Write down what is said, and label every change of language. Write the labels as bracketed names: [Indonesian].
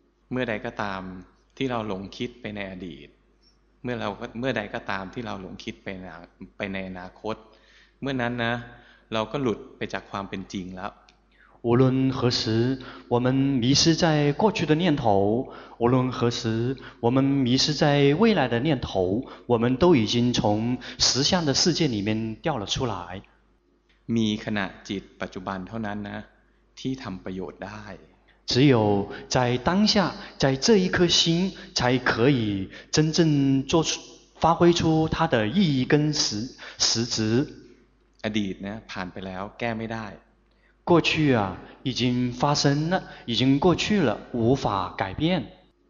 [Thai] เมื่อใดก็ตามที่เราหลงคิดไปในอดีตเมื่อใดก็ตามที่เราหลงคิดไปในอนาคตเมื่อนั้นนะเราก็หลุดไปจากความเป็นจริงแล้ว [Chinese] 无论何时我们迷失在过去的念头无论何时我们迷失在未来的念头我们都已经从实相的世界里面掉了出来 [Thai] มีขณะจิตปัจจุบันเท่านั้นนะที่ทำประโยชน์ได้ [Chinese] 只有在当下在这一颗心才可以真正做出发挥出它的意义跟实质 [Thai] อดีตนะผ่านไปแล้วแก้ไม่ได้ [Chinese] 过去啊已经发生了已经过去了无法改变